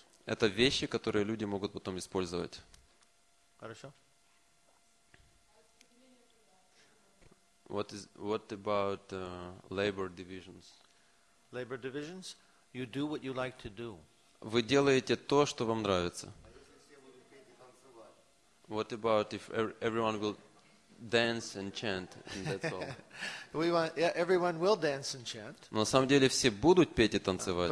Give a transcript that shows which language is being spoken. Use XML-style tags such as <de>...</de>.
<ru>Это вещи, которые люди могут потом использовать. Хорошо.</ru> <en>What about labor divisions? Labor divisions? You do what you like to do.</en> <ru>Вы делаете то, что вам нравится.</ru> <en>What about if everyone will dance and chant and that's all? Everyone will dance and chant.</en> <ru>Но на самом деле все будут петь и танцевать.</ru>